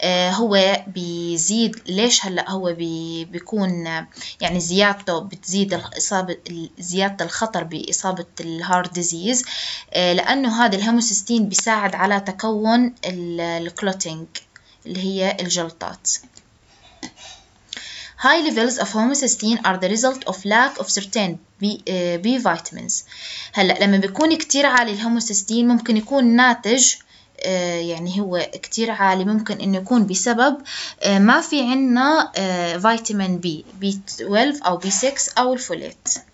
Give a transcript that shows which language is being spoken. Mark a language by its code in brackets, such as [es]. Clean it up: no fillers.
[ar] هو بيزيد ليش هلأ هو بيكون يعني زيادته بتزيد الإصابة زيادة الخطر بإصابة الهارت ديزيز لأنه هذا الهوموسيستين بيساعد على تكون الكلوتينج اللي هي الجلطات. [en] High levels of homocysteine are the result of lack of certain B vitamins. [ar] هلأ لما بيكون كتير عالي الهوموسيستين ممكن يكون ناتج يعني هو كتير عالي ممكن إنه يكون بسبب ما في عنا فيتامين B, B12 أو B6 أو الفوليت.